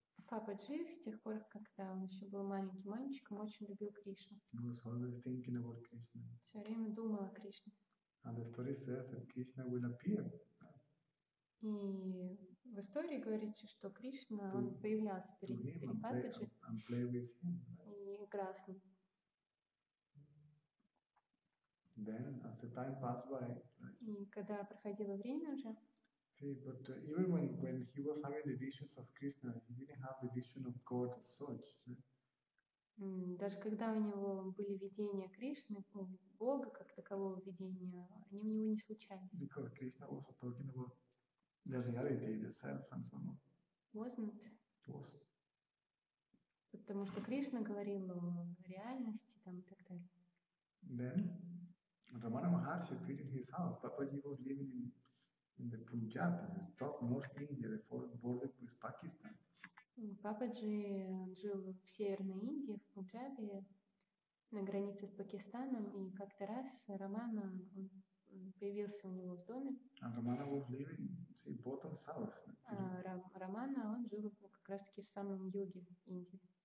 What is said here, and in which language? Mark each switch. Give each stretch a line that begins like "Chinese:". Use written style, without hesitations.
Russian: Papaji, с тех пор, когда он еще был маленьким мальчиком, очень любил Кришну.
English: He was always thinking about Krishna.
Russian: Все время думал о Кришне.
English: And the story says that Krishna will appear.
Russian: И в истории говорится, что Кришна он появлялся перед Пападжи
English: and play with him.
Russian: И играл с ним.
English: Then, as the time passed by,
Russian: и когда проходило время уже.
English: See, but even when he was having the visions of Krishna, he didn't have the vision of God as such.
Russian: Даже когда у него были видения Кришны, Бога как такового видения, они у него не случались.
English: Because Krishna was talking about the reality itself and so on. Wasn't. Was.
Russian: Потому что Кришна говорил о реальности там и так далее.
English: Then. Ramana Maharshi appeared in his house. Papaji was living in the Punjab, the top north India, the border with Pakistan.
Russian: Papaji жил в северной Индии, в Пунджабе, на границе с Пакистаном, и как-то раз Ramana появился у него в доме.
English: And Ramana was living in the bottom south.
Russian: Ramana он жил как раз таки в самом юге Индии.